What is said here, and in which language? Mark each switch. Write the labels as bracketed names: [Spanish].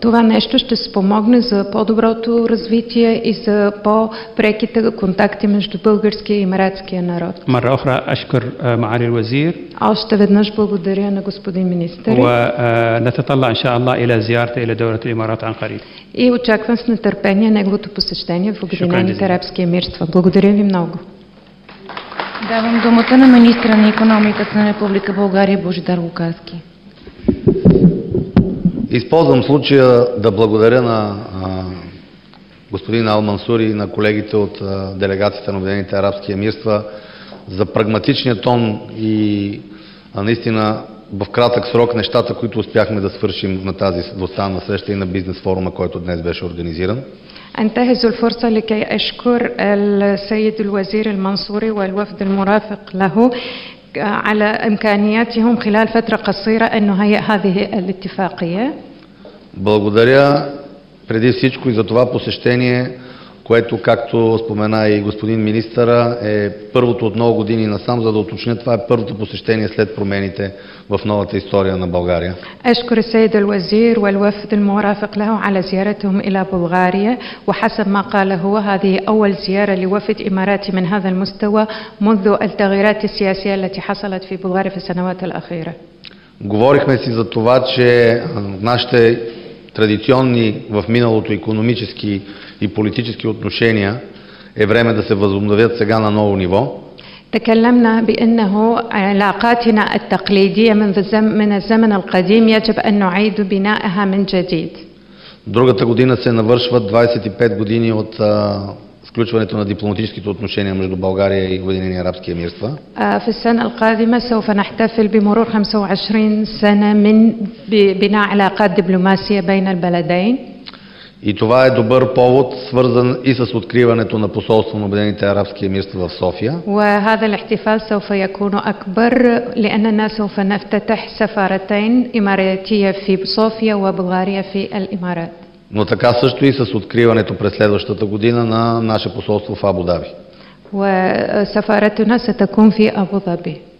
[Bulgarian] Това нещо ще спомогне за по-доброто развитие и за по-преките контакти между българския и иматския народ. [Arabic] مرة أخرى أشكر معالي الوزير. [Bulgarian] Още веднъж благодаря на господин министър. [Arabic] ونتطلع إن شاء الله إلى زيارته إلى دولة الإمارات عن قريب. [Bulgarian] И очаквам с нетърпение неговото посещение в Обединените арабски емирства. Благодаря ви много. Давам думата на министра на икономиката на Република България Божидар Лукарски. Използвам случая да благодаря на господин Алмансур и на колегите от делегацията на Обединените арабски емирства за прагматичния тон и наистина в кратък срок нещата, които успяхме да свършим на тази двустранна среща и на бизнес форума, който днес беше организиран. [Arabic] انتهز الفرصة لكي أشكر السيد الوزير المنصوري والوفد المرافق له على إمكانياتهم خلال فترة قصيرة أن نهيئ هذه الاتفاقية. [Bulgarian] Благодаря преди всичко и за това посещение, което, както спомена и господин министъра, е първото от много години насам, за да уточня, това е първото посещение след промените в новата история на България. [Arabic] أشكر السيد الوزير والوفد المرافق له على زيارتهم إلى بلغاريا وحسب ما قال هو هذه أول زيارة لوفد إماراتي من هذا المستوى منذ التغييرات السياسية التي حصلت في بلغاريا في السنوات الأخيرة. [Bulgarian] Говорихме си за това, че нашите традиционни в миналото икономически и политически отношения е време да се възобновят сега на ново ниво. [Arabic] تكلمنا بأنه علاقاتنا التقليدية من الزمن القديم يجب أن نعيد بنائها من جديد. [Bulgarian] Другата година се навършват 25 години от сключването на дипломатическите отношения между България и Обединените арабски емирства. [Arabic] في السنة القادمة سوف نحتفل بمرور 25 سنة من بناء علاقات دبلوماسية بين البلدين. [Bulgarian] И това е добър повод, свързан и с откриването на посолство на Обединените арабски емирства в София. [Arabic] وهذا الاحتفال سوف يكون أكبر لأننا سوف نفتتح سفارتين إماراتية في صوفيا وبلغاريا في الإمارات. [Bulgarian] Но така също и с откриването през следващата година на наше посолство в Абу Даби. [Arabic] وسفارتنا ستكون في أبو ظبي.